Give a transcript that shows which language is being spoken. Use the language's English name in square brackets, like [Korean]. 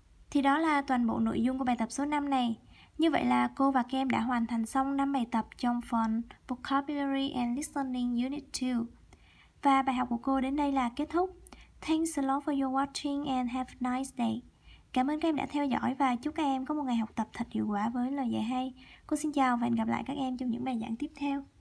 [Vietnamese] Thì đó là toàn bộ nội dung của bài tập số 5 này. Như vậy là cô và các em đã hoàn thành xong 5 bài tập trong phần Vocabulary and Listening Unit 2. Và bài học của cô đến đây là kết thúc. [English] Thanks a lot for your watching and have a nice day. [Vietnamese] Cảm ơn các em đã theo dõi và chúc các em có một ngày học tập thật hiệu quả với lời dạy hay. Cô xin chào và hẹn gặp lại các em trong những bài giảng tiếp theo.